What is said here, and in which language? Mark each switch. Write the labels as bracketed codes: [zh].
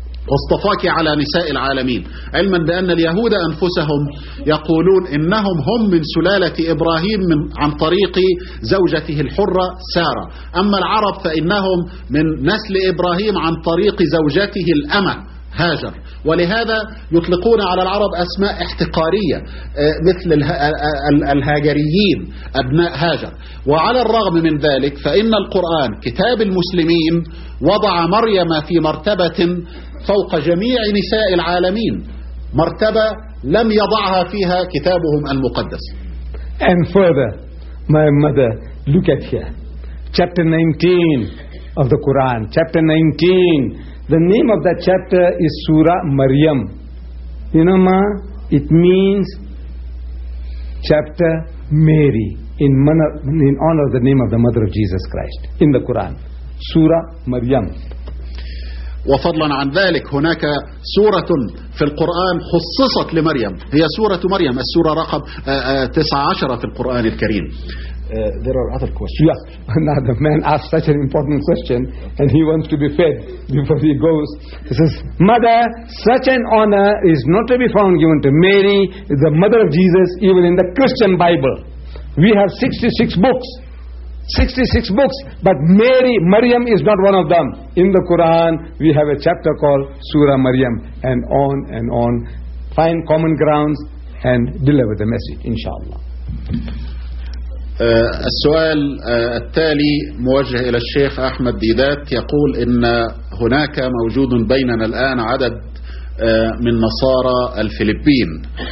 [ar] واصطفاك على نساء العالمين، علما بأن اليهود أنفسهم يقولون إنهم هم من سلالة إبراهيم من عن طريق زوجته الحرة سارة، أما العرب فإنهم من نسل إبراهيم عن طريق زوجته الأمة هاجر، ولهذا يطلقون على العرب أسماء احتقارية مثل الهاجريين أبناء هاجر. وعلى الرغم من ذلك فإن القرآن كتاب المسلمين وضع مريم في مرتبة فوق جميع نساء العالمين، مرتبة لم يضعها فيها كتابهم المقدس. [en] And further, my mother, look at here. Chapter 19 of the Quran. Chapter 19. The name of that chapter is Surah Maryam. You know, Ma, it means chapter Mary in honor of the name of the mother of Jesus Christ in the Quran. Surah Maryam. [ar] وفضلا عن ذلك هناك سورة في القرآن خصصت لمريم هي سورة مريم السورة رقم 19 في القرآن الكريم. [en] There are other questions. Yeah. Now the man asked such an important question and he wants to be fed before he goes. He says, Mother, such an honor is not to be found given to Mary, the mother of Jesus, even in the Christian Bible. We have 66 books. 66 books, but Maryam is not one of them. In the Quran, we have a chapter called Surah Maryam, and on, find common grounds and deliver the message, inshallah. [ar] السؤال التالي موجه إلى الشيخ أحمد ديدات يقول إن هناك موجود بيننا الآن عدد من نصارى الفلبين.